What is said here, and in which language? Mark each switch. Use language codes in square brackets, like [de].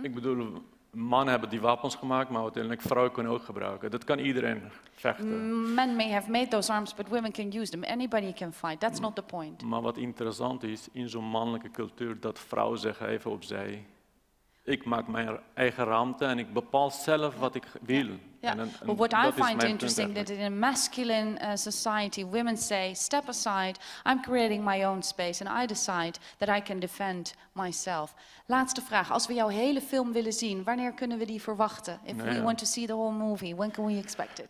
[nl] Ik bedoel, mannen hebben die wapens gemaakt, maar uiteindelijk vrouwen kunnen ook gebruiken. Dat kan iedereen vechten. [en] Men may have made those arms, but women can use them. Anybody can fight. That's not the point. [nl] Maar wat interessant is in zo'n mannelijke cultuur dat vrouwen zeggen even opzij. Ik maak mijn eigen ruimte en ik bepaal zelf wat ik wil. [en] Yeah. And well, what I find interesting is that in a masculine society, women say, step aside, I'm creating my own space and I decide that I can defend myself. [nl] Laatste vraag, als we jouw hele film willen zien, wanneer kunnen we die verwachten? [en] If we want to see the whole movie, when can we expect it?